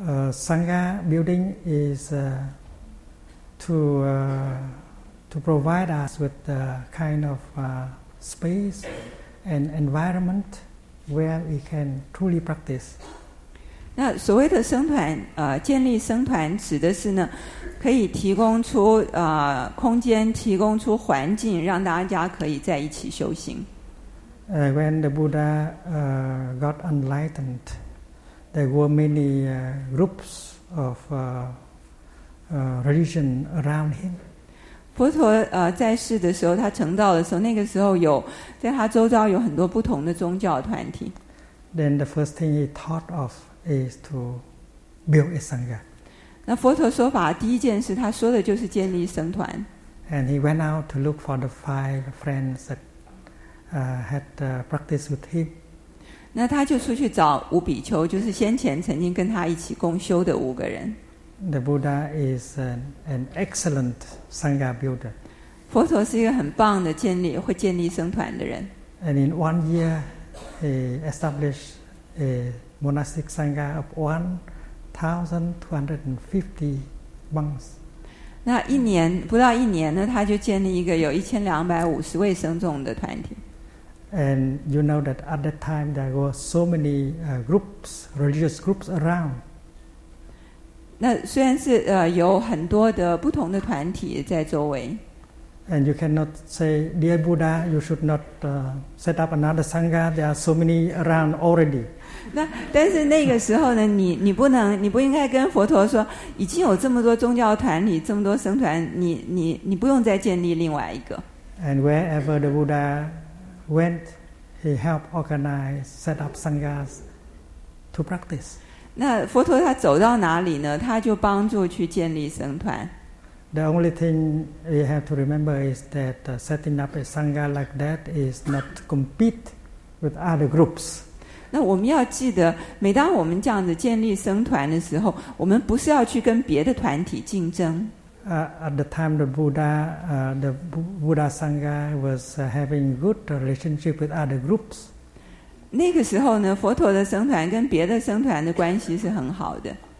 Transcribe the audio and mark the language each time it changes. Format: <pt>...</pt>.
<en>Sangha building is to provide us with the kind of space and environment where we can truly practice.</en> <zh>那所谓的僧团，建立僧团指的是呢，可以提供出空间，提供出环境，让大家可以在一起修行。</zh> <en>When the Buddha got enlightened, there were many groups of religion around him.</en> <zh>佛陀在世的时候，他成道的时候，那个时候有在他周遭有很多不同的宗教团体。</zh> <en>Then the first thing he thought of. Is to build a sangha.</en> <zh>那佛陀说法第一件事，他说的就是建立僧团。</zh> <en>And he went out to look for the 5 friends that had practiced with him.</en> <zh>那他就出去找五比丘，就是先前曾经跟他一起共修的五个人。</zh> <en>The Buddha is an excellent sangha builder.</en> <zh>佛陀是一个很棒的会建立僧团的人。</zh> <en>And in 1 year, he established a Monastic Sangha of 1,250 monks.</en> <zh>那一年不到一年呢，他就建立一个有1,250位僧众的团体。</zh> <en>And you know that at that time there were so many groups, religious groups around.</en> <zh>那虽然是有很多的不同的团体在周围。</zh> <en>And you cannot say, dear Buddha, you should not set up another sangha. There are so many around already.</en> <zh>那但是那个时候呢，你不应该跟佛陀说，已经有这么多宗教团体，这么多僧团，你不用再建立另外一个。</zh> <en>And wherever the Buddha went, he helped organize, set up sanghas to practice.</en> <zh>那佛陀他走到哪里呢？他就帮助去建立僧团。</zh> <en>The only thing we have to remember is that setting up a sangha like that is not compete with other groups.</en> <zh>那我们要记得，每当我们这样子建立僧团的时候，我们不是要去跟别的团体竞争。</zh> <en>At the time the Buddha sangha was having good relationship with other groups.</en> <zh>那个时候呢，佛陀的僧团跟别的僧团的关系是很好的。</zh>